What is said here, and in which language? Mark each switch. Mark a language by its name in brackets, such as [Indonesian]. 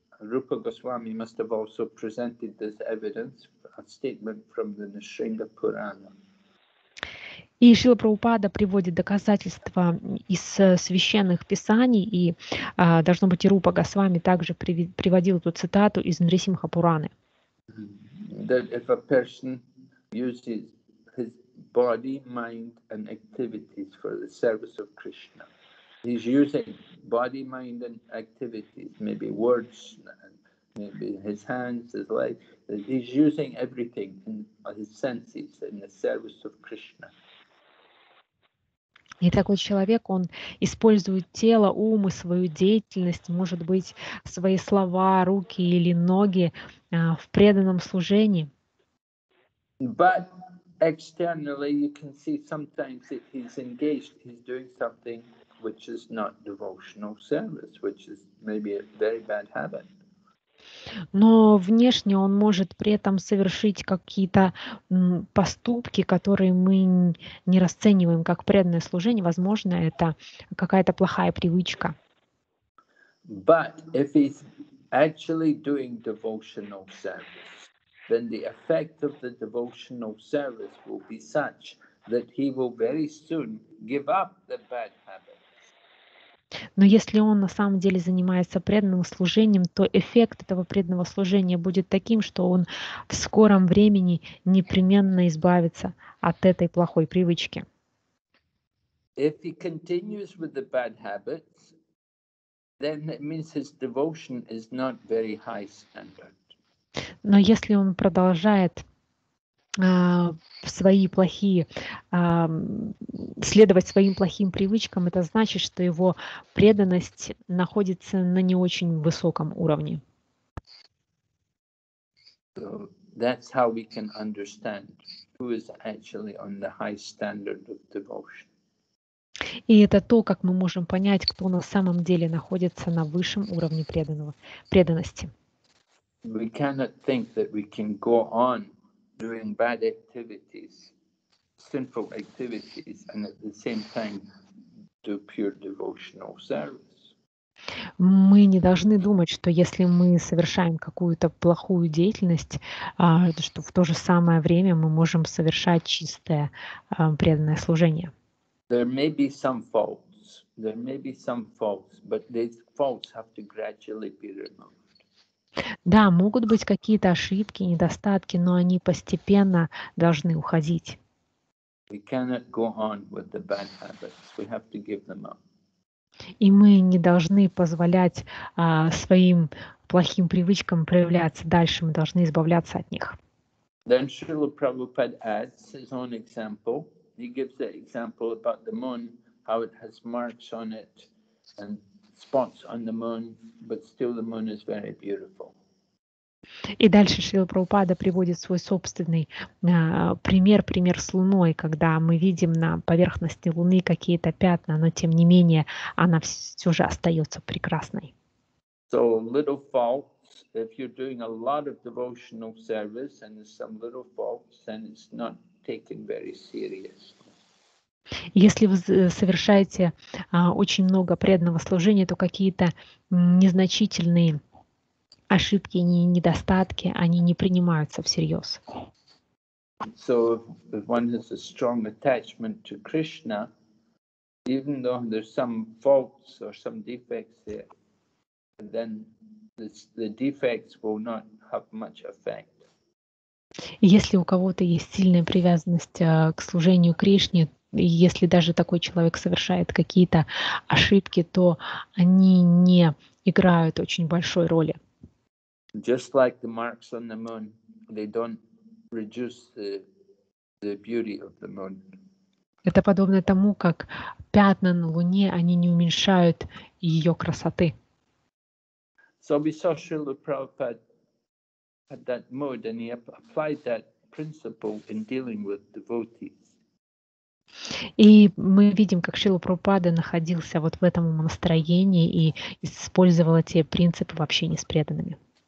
[English] Rupa Goswami must have also presented this evidence, a statement from the Nisringa Purana. [Russian] И Шрила Прабхупада приводит доказательства из священных писаний, и должно быть, и Рупа Госвами также приводил эту цитату из Нрисимха Пураны. [English] That if a person uses his body, mind and activities for the service of Krishna, he's using body, mind and activities, maybe words, maybe his hands, his legs, he's using everything in his senses in the service of Krishna. [Russian] И такой человек, он использует тело, ум и свою деятельность, может быть, свои слова, руки или ноги в преданном служении. [English] But externally you can see sometimes that he's engaged, he's doing something which is not devotional service, which is maybe a very bad habit. [Russian] Но внешне он может при этом совершить какие-то поступки, которые мы не расцениваем как преданное служение. Возможно, это какая-то плохая привычка. [English] But if he's actually doing devotional service, then the effect of the devotional service will be such that he will very soon give up the bad habit. [Russian] Но если он на самом деле занимается преданным служением, то эффект этого преданного служения будет таким, что он в скором времени непременно избавится от этой плохой привычки. [English] If he continues with the bad habits, then that means his devotion is not very high standard. [Russian] Но если он продолжает свои плохие следовать своим плохим привычкам, это значит, что его преданность находится на не очень высоком уровне. [English] So that's how we can understand who is actually on the high standard of devotion. [Russian] И это то, как мы можем понять, кто на самом деле находится на высшем уровне преданности. [English] We cannot think that we can go on doing bad activities, sinful activities, and at the same time do pure devotional service. [Russian] Мы не должны думать, что если мы совершаем какую-то плохую деятельность, что в то же самое время мы можем совершать чистое преданное служение. [English] There may be some faults. There may be some faults, but these faults have to gradually be removed. [Russian] Да, могут быть какие-то ошибки, недостатки, но они постепенно должны уходить. [English] We cannot go on with the bad habits. We have to give them up. [Russian] И мы не должны позволять своим плохим привычкам проявляться дальше. Мы должны избавляться от них. [English] Then Srila Prabhupada adds his own example. He gives the example about the moon, how it has marks on it and spots on the moon, but still the moon is very beautiful. [Russian] И дальше Шрила Прабхупада приводит свой собственный пример с Луной, когда мы видим на поверхности Луны какие-то пятна, но тем не менее она все же остается прекрасной. [English] So little faults, if you're doing a lot of devotional service and some little faults, then it's not taken very seriously. [Russian] Если вы совершаете очень много преданного служения, то какие-то незначительные ошибки, недостатки, они не принимаются всерьез. [English] So if one has a strong attachment to Krishna, even though there's some faults or some defects there, then the defects will not have much effect. [Russian] Если у кого-то есть сильная привязанность к служению Кришне, если даже такой человек совершает какие-то ошибки, то они не играют очень большой роли. [English] Just like the marks on the moon, they don't reduce the beauty of the moon. [Russian] Это подобно тому, как пятна на Луне, они не уменьшают ее красоты. [English] So we saw Srila Prabhupada had that mood, and he applied that principle in dealing with devotees. [Russian] И мы видим, как Шрила Прабхупада находился вот в этом настроении и использовал эти принципы в общении с преданными.